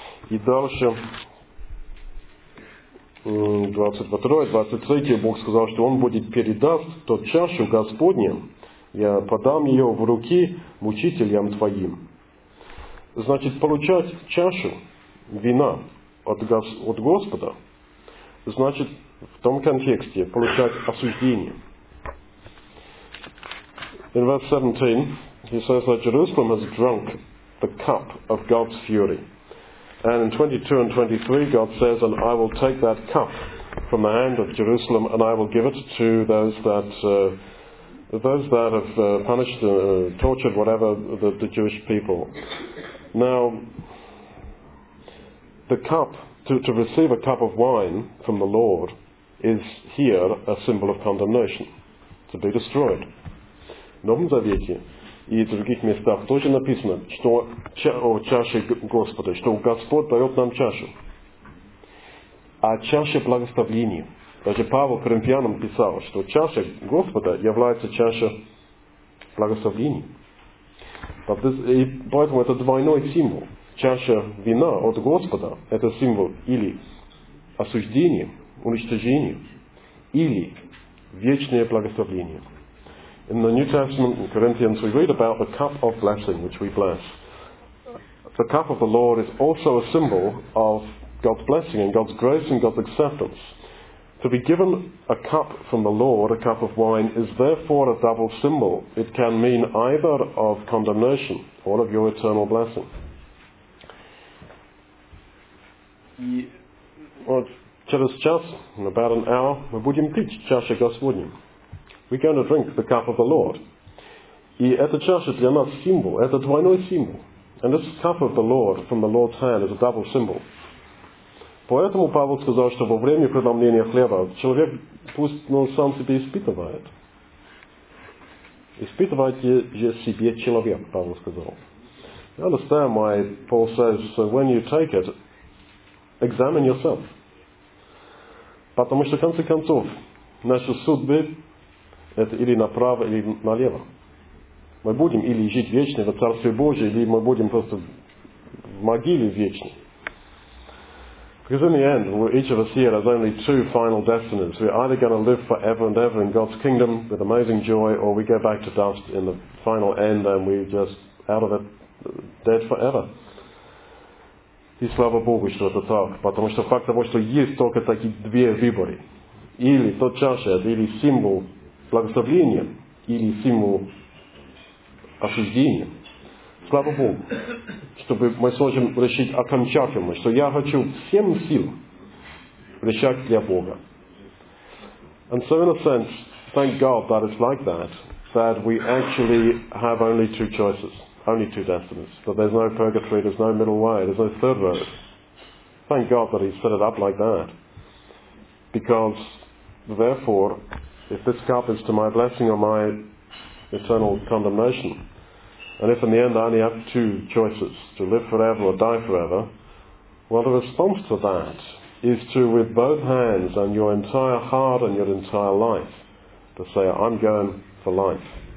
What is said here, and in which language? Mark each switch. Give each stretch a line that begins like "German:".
Russian: И дальше 22-23 Бог сказал, что он будет передаст тот чашу Господне. Я подам ее в руки мучителям твоим. Значит, получать чашу вина от Господа, значит, в том контексте получать осуждение.
English: In verse 17, he says that Jerusalem has drunk the cup of God's fury. And in 22 and 23, God says, and I will take that cup from the hand of Jerusalem and I will give it to those that... those that have punished, tortured, whatever, the Jewish people. Now, the cup, to receive a cup of wine from the Lord, is here a symbol of condemnation, to be destroyed.
Russian: В Новом Завете и других местах тоже написано, что о чаше Господа, что Господь дает нам чашу. А чаша благословения. Даже Павел Коринфянам писал, что чаша Господа является чаша благословения. И поэтому это двойной символ. Чаша вина от Господа – это символ или осуждения, уничтожения, или вечное благословение.
English: In the New Testament, in Corinthians, we read about the cup of blessing, which we bless. The cup of the Lord is also a symbol of God's blessing and God's grace and God's acceptance. To be given a cup from the Lord, a cup of wine, is therefore a double symbol. It can mean either of condemnation or of your eternal blessing.
Russian: Вот через час,
English: in about an hour,
Russian: мы будем пить чашу Господню.
English: We're going to drink the cup of the Lord.
Russian: И эта чаша для нас символ, это двойной символ.
English: And this cup of the Lord, from the Lord's hand, is a double symbol.
Russian: Поэтому Павел сказал, что во время преломления хлеба человек пусть ну, сам себя испытывает. Испытывайте же себе человек, Павел сказал.
English: You understand why Paul says, so when you take it, examine yourself.
Russian: Потому что, в конце концов, наши судьбы – это или направо, или налево. Мы будем или жить вечно в Царстве Божьем, или мы будем просто в могиле вечно.
English: Because in the end, each of us here has only two final destinies. We're either going to live forever and ever in God's kingdom with amazing joy, or we go back to dust in the final end and we're just out of it, dead forever.
Russian: И слава Богу, что это так. Потому что факт того, что есть только такие две выборы. Или тот чаша, или символ благословения, или символ осуждения. Слава Богу, чтобы мы сможем решить окончательно, что я хочу всем сил решать для Бога.
English: And so in a sense, thank God that it's like that, that we actually have only two choices. Only two destinies. That there's no purgatory, there's no middle way, there's no third road. Thank God that He set it up like that. Because, therefore, if this cup is to my blessing or my eternal condemnation, and if in the end I only have two choices, to live forever or die forever, well, the response to that is to, with both hands and your entire heart and your entire life, to say, I'm going for life.